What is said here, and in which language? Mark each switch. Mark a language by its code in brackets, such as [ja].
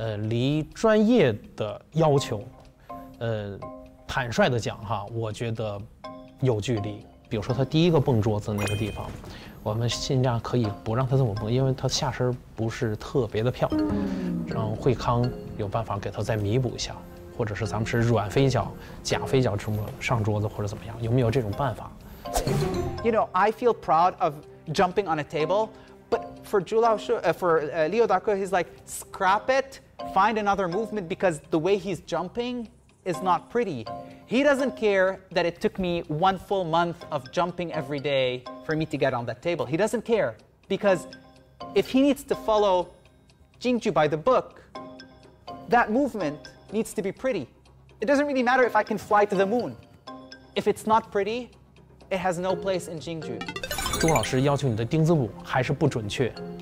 [zh] 离专业的要求，坦率的讲哈，我觉得有距离。比如说他第一个蹦桌子那个地方，我们尽量可以不让他这么蹦，因为他下身不是特别的漂亮，让会康有办法给他再弥补一下，或者是咱们是软飞脚、假飞脚这么上桌子或者怎么样，有没有这种办法？ [en] You know, I feel proud of jumping on a table, but for Zhu Lao Shu, Leo Dako, he's like scrap it. Find another movement because the way he's jumping is not pretty. He doesn't care that it took me one full month of jumping every day for me to get on that table. He doesn't care because if he needs to follow Jingju by the book, that movement needs to be pretty. It doesn't really matter if I can fly to the moon. If it's not pretty, it has no place in Jingju. [zh] 朱老师要求你的钉子舞还是不准确。